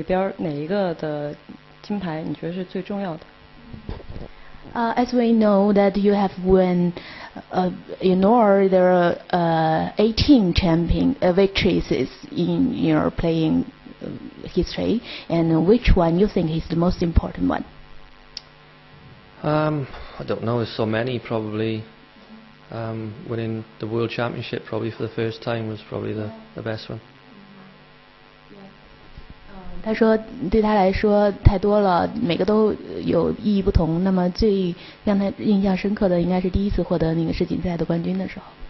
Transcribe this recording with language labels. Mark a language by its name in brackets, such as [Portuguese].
[Chinese] 他说其实不可能每个人运气都是一直这么好，他觉得这次可能自己就是运气欠佳。因为在你过去已经拿到了18个排名赛的冠军，想知道你觉得这里边哪一个的金牌你觉得是最重要的？ [English] As we know that you have won in all there are 18 champion victories in your playing history, and which one you think is the most important one? I don't know, there's so many. Probably winning the world championship probably for the first time was probably the best one. [Chinese] 他说对他来说太多了，每个都有意义不同，那么最让他印象深刻的应该是第一次获得那个世锦赛的冠军的时候。